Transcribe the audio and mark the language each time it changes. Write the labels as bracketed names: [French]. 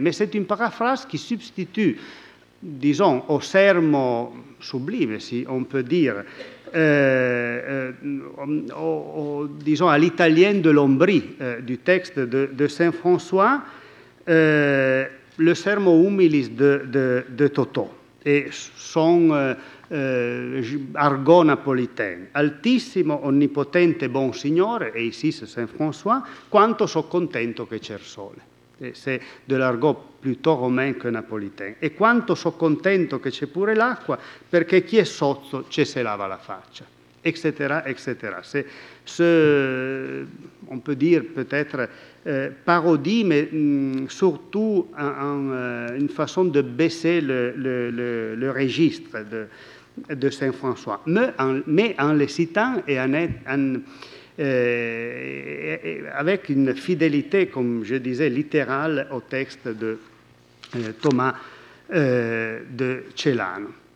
[French] Mais c'est une paraphrase qui substitue, disons, au sermo sublime, si on peut dire, disons, à l'italienne de l'ombri du texte de Saint François, le sermo humilis de Toto et son argot napolitain. [Italian] Altissimo, onnipotente, bon signore, [French] et ici c'est Saint François, [Italian] quanto so contento che c'è il sole. [French] Et c'est de l'argot plutôt romain que napolitain. [Italian] Et quanto so contento che c'è pure l'acqua, perché chi è sozzo ce se lava la faccia. [French] Etc., etc. C'est ce, on peut dire peut-être, parodie, mais surtout une façon de baisser le registre de Saint François, mais en les citant et avec une fidélité, comme je disais, littérale au texte de Thomas de Celano.